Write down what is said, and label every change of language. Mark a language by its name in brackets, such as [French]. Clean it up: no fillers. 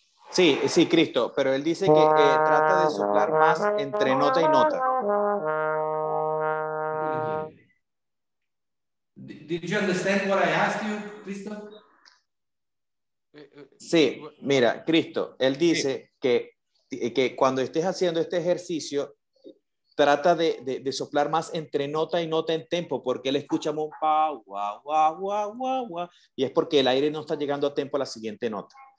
[Spanish] Sí, sí, Cristo, pero él dice que trata de soplar más entre nota y nota. [English] Did you understand what I asked you, Cristo? [Spanish] Sí, mira, Cristo, él dice que cuando estés haciendo este ejercicio, trata de soplar más entre nota y nota en tempo, porque él escucha un pa, guau, guau, guau, guau, guau, y es porque el aire no está llegando a tempo a la siguiente nota.